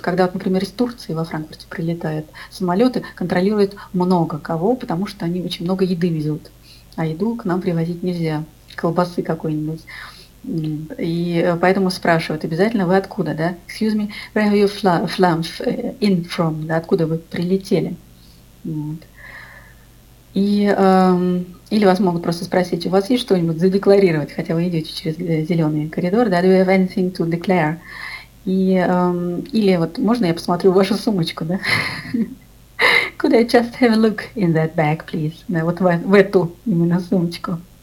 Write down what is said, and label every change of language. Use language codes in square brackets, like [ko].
[ru] Когда, вот, например, из Турции во Франкфурте прилетают самолеты, контролируют много кого, потому что они очень много еды везут. А еду к нам привозить нельзя, колбасы какой-нибудь. И поэтому спрашивают обязательно, вы откуда, да? [en] Excuse me, where are you in from, да? [ru] Откуда вы прилетели? Вот. Или вас могут просто спросить, у вас есть что-нибудь задекларировать, хотя вы идете через зеленый коридор, да? [en] Do you have anything to declare? [ru] Или вот можно я посмотрю вашу сумочку, да? [en] Could I just have a look in that bag, please? [ru] Да, вот в эту именно сумочку.